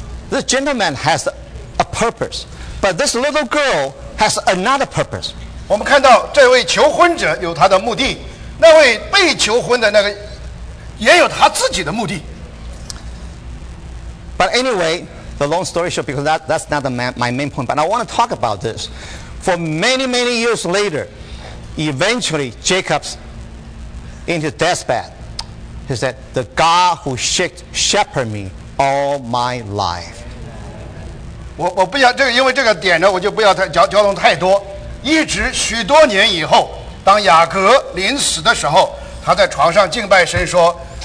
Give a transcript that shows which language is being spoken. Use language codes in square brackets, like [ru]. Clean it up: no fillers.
[en] This gentleman has a purpose, but this little girl has another purpose. [zh] 我们看到这位求婚者有他的目的，那位被求婚的那个也有他自己的目的。 [en] But anyway, But long story short, because that's not my main point, but I want to talk about this. For many, many years later, eventually Jacob's in his deathbed. He said, "The God who shepherded me all my life." [zh] 我不要这个，因为这个点呢，我就不要太交通太多。一直许多年以后，当雅各临死的时候，他在床上敬拜神说，